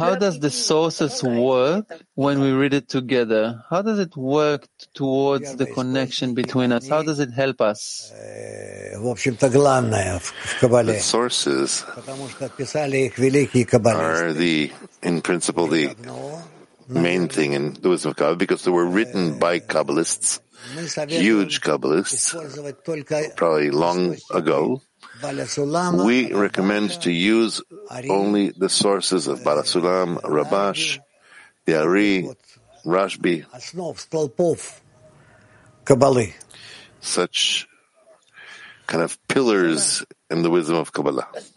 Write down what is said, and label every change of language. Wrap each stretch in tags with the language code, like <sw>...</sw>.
<en>How does the sources work when we read it together? How does it work towards the connection between us? How does it help us?</en> <ru>В общем-то, главное в Каббале.</ru> <en>The sources.</en> <ru>Потому что писали их великие каббалисты.</ru> <en>Are the, in principle, the main thing in the wisdom of Kabbalah, because they were written by Kabbalists, huge Kabbalists, probably long ago. We recommend to use only the sources of Bala Sulam, Rabash, the Ari, Rashbi, such kind of pillars in the wisdom of Kabbalah.</en>